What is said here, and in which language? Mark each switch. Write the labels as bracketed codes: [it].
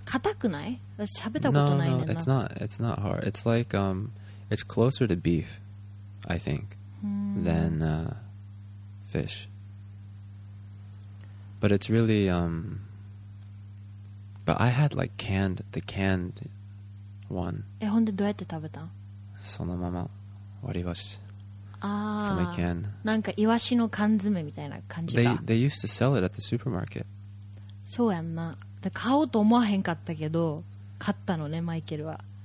[ja] 硬くない私食べたことないねんな [en] No, it's not hard It's like it's closer to beef I think than fishBut it's really, but I had like the canned one. [ja] え、ほんでどうやって食べたん？そのまま割り箸。ああ。 [en] From a can. [ja] なんかイワシの缶詰みたいな感じか。 [en] They used to sell it at the supermarket. [ja] そうやんな。で買おうと思わへんかったけど、買ったのね、マイケルは。